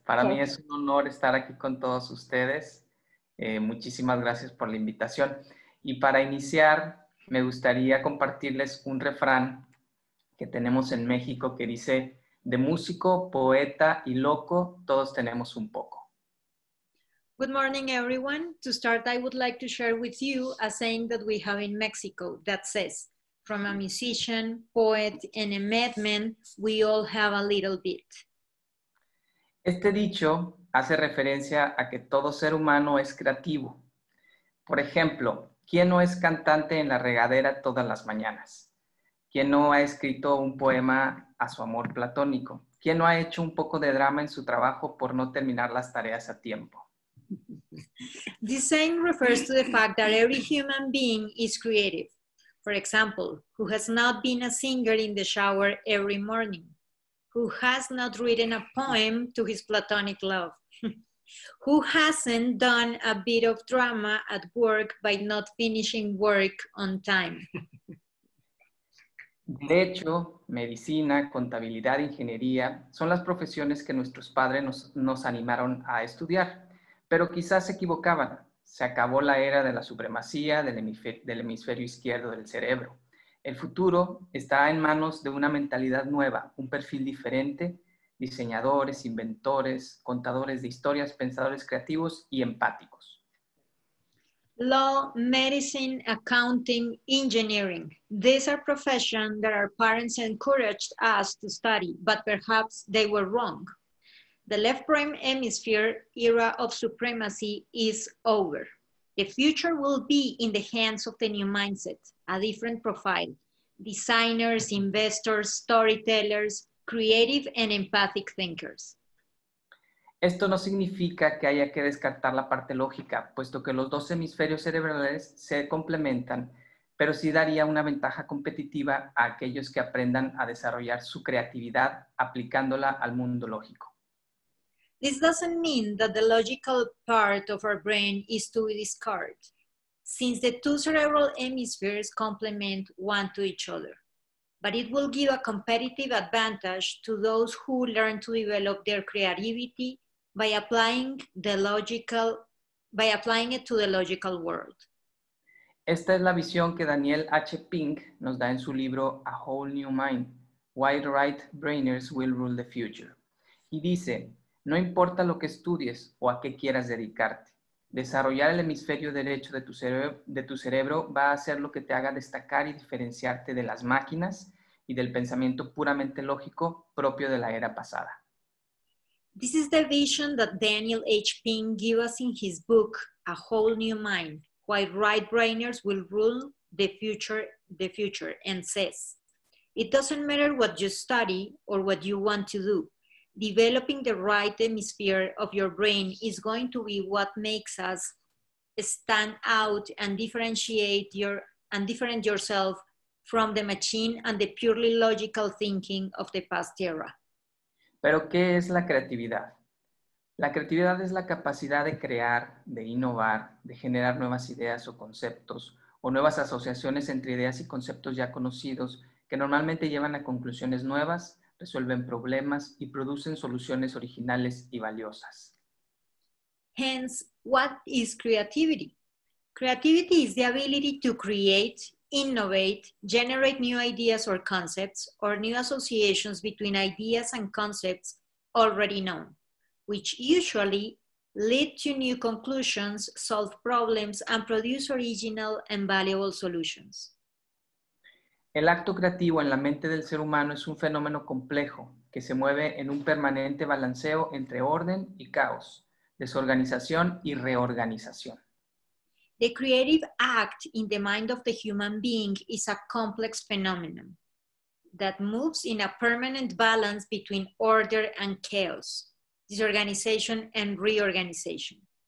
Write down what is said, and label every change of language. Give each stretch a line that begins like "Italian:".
Spanish: Para mí es un honor estar aquí con todos ustedes. Muchísimas gracias por la invitación. Y para iniciar, me gustaría compartirles un refrán que tenemos en México que dice: de músico, poeta y loco, todos tenemos un poco.
English: Good morning, everyone. To start, I would like to share with you a saying that we have in Mexico that says, from a musician, poet, and a madman, we all have a little bit.
Spanish: Este dicho hace referencia a que todo ser humano es creativo. Por ejemplo, ¿quién no es cantante en la regadera todas las mañanas? ¿Quién no ha escrito un poema a su amor platónico? ¿Quién no ha hecho un poco de drama en su trabajo por no terminar las tareas a tiempo?
English: This saying refers to the fact that every human being is creative. For example, who has not been a singer in the shower every morning? Who has not written a poem to his platonic love? Who hasn't done a bit of drama at work by not finishing work on time?
Spanish: Derecho, medicina, contabilidad, ingeniería, son las profesiones que nuestros padres nos animaron a estudiar. Pero quizás se equivocaban. Se acabó la era de la supremacía del hemisferio izquierdo del cerebro. El futuro está en manos de una mentalidad nueva, un perfil diferente, diseñadores, inventores, contadores de historias, pensadores creativos y empáticos.
English: Law, medicine, accounting, engineering. These are professions that our parents encouraged us to study, but perhaps they were wrong. The left brain hemisphere era of supremacy is over. The future will be in the hands of the new mindset, a different profile. Designers, investors, storytellers, creative and empathic thinkers.
Spanish: Esto no significa que haya que descartar la parte lógica, puesto que los dos hemisferios cerebrales se complementan, pero sí daría una ventaja competitiva a aquellos que aprendan a desarrollar su creatividad aplicándola al mundo lógico.
English: This doesn't mean that the logical part of our brain is to discard, since the two cerebral hemispheres complement one to each other. But it will give a competitive advantage to those who learn to develop their creativity by applying it to the logical world.
Spanish: Esta es la visión que Daniel H. Pink nos da en su libro A Whole New Mind, Why the Right Brainers Will Rule the Future. Y dice, no importa lo que estudies o a qué quieras dedicarte, desarrollar el hemisferio derecho de tu cerebro va a hacer lo que te haga destacar y diferenciarte de las máquinas y del pensamiento puramente lógico propio de la era pasada.
English: This is the vision that Daniel H. Pink gave us in his book, A Whole New Mind, Why Right Brainers Will Rule the Future, and says, it doesn't matter what you study or what you want to do. Developing the right hemisphere of your brain is going to be what makes us stand out and differentiate yourself from the machine and the purely logical thinking of the past era.
Spanish: ¿Pero qué es la creatividad? La creatividad es la capacidad de crear, de innovar, de generar nuevas ideas o conceptos, o nuevas asociaciones entre ideas y conceptos ya conocidos que normalmente llevan a conclusiones nuevas, resuelven problemas y producen soluciones originales y valiosas.
English: Hence, what is creativity? Creativity is the ability to create, innovate, generate new ideas or concepts, or new associations between ideas and concepts already known, which usually lead to new conclusions, solve problems, and produce original and valuable solutions.
Spanish: El acto creativo en la mente del ser humano es un fenómeno complejo que se mueve en un permanente balanceo entre orden y caos, desorganización y reorganización.
English: The creative act in the mind of the human being is a complex phenomenon that moves in a permanent balance between order and chaos, disorganization and reorganization.